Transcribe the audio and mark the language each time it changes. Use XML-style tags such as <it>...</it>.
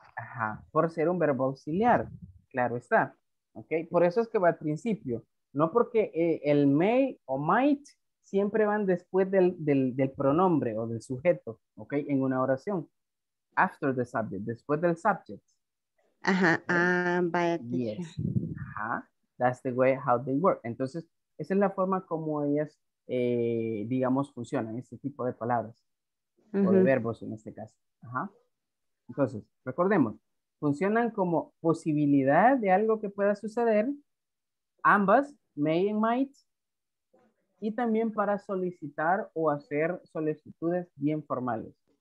<es>Ajá, por ser un verbo auxiliar, claro está. Ok, por eso es que va al principio. No porque el may o might siempre van después del pronombre o del sujeto, ok, en una oración.</es> <en>After the subject,</en> <es>después del subject.</es> <en>Ajá, by a teacher. Yes, ajá, that's the way how they work.</en> <es>Entonces, esa es la forma como ellas, digamos, funcionan, este tipo de palabras. Uh-huh. O de verbos en este caso. Ajá. Entonces, recordemos, funcionan como posibilidad de algo que pueda suceder, ambas, may and might, y también para solicitar o hacer solicitudes bien formales.</es>